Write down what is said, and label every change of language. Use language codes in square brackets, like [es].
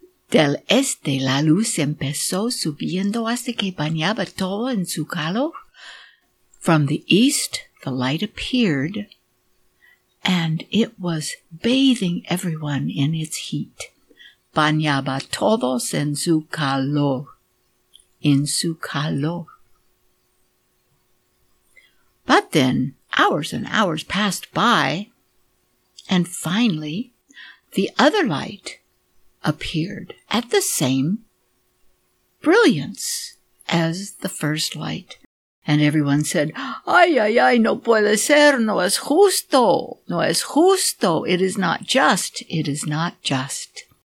[es] Del este la luz empezó subiendo hasta que bañaba todo en su calor. [en] From the east, the light appeared, and it was bathing everyone in its heat. [es] Bañaba todos en su calor, en su calor. [en] But then, hours and hours passed by, and finally, the other light appeared at the same brilliance as the first light. And everyone said, [es] ay, ay, ay, no puede ser, no es justo, [en] no es justo, it is not just, it is not just.